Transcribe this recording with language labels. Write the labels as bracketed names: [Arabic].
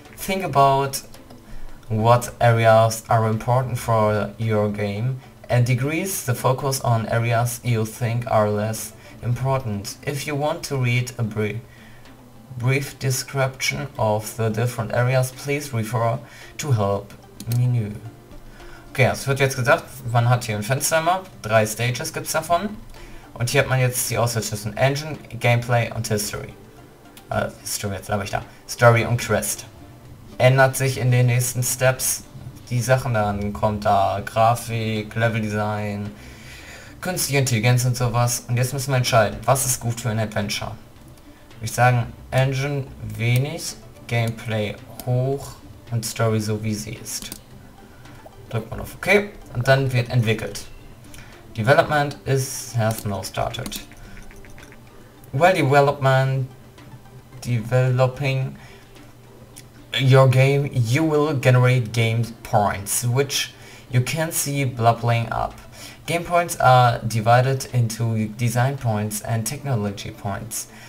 [English] think about what areas are important for your game and decrease the focus on areas you think are less important. If you want to read a brief description of the different areas, please refer to help menu. [German] Okay, es wird jetzt gesagt, man hat hier ein Fenster immer, drei Stages gibt's davon. Und hier hat man jetzt die Auswahl zwischen Engine, Gameplay und History. History, jetzt glaube ich da. Story und Quest. Ändert sich in den nächsten Steps die Sachen, dann kommt da Grafik, Level Design, Künstliche Intelligenz und sowas. Und jetzt müssen wir entscheiden, was ist gut für ein Adventure. Ich sage Engine wenig, Gameplay hoch und Story so wie sie ist. Drückt man auf OK und dann wird entwickelt. [English] Development has now started. Well, developing your game, you will generate game points, which you can see bubbling up. Game points are divided into design points and technology points.